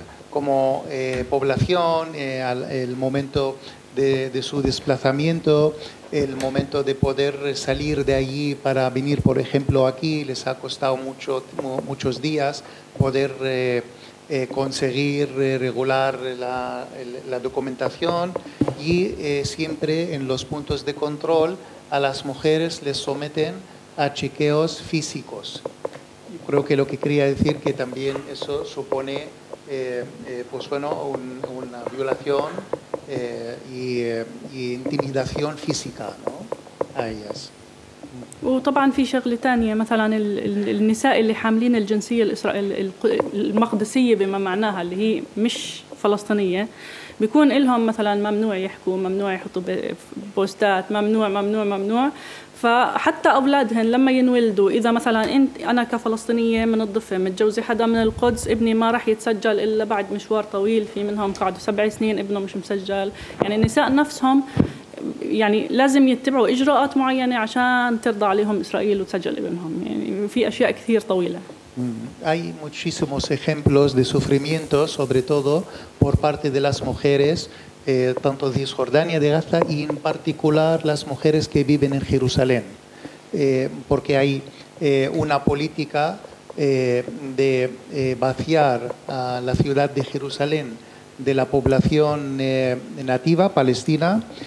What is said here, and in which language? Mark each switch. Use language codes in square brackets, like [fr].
[es] como población, el momento de su desplazamiento, el momento de poder salir de allí para venir, por ejemplo, aquí, les ha costado muchos días poder conseguir regular la documentación, y siempre en los puntos de control a las mujeres les someten a chequeos físicos. Yo creo que lo que quería decir que también eso supone pues bueno, una violación y intimidación física, ¿no?, a ellas. [ar] وطبعا في شغله ثانيه مثلا النساء اللي حاملين الجنسيه المقدسيه بما معناها اللي هي مش فلسطينيه بيكون لهم مثلا ممنوع يحكوا ممنوع يحطوا بوستات ممنوع ممنوع ممنوع فحتى اولادهم لما ينولدوا اذا مثلا انت انا كفلسطينيه من الضفه متجوزه حدا من القدس ابني ما راح يتسجل الا بعد مشوار طويل في منهم قعدوا 7 سنين ابنه مش مسجل يعني النساء نفسهم يعني لازم يتبعوا إجراءات معينة عشان ترضى عليهم إسرائيل وتسجل ابنهم يعني في أشياء كثير طويلة. [es] Hay muchísimos ejemplos de sufrimiento, sobre todo por parte de las mujeres, tanto de Cisjordania, de Gaza, y en particular las mujeres que viven en Jerusalén, porque hay una política de vaciar a la ciudad de Jerusalén de la población nativa palestina.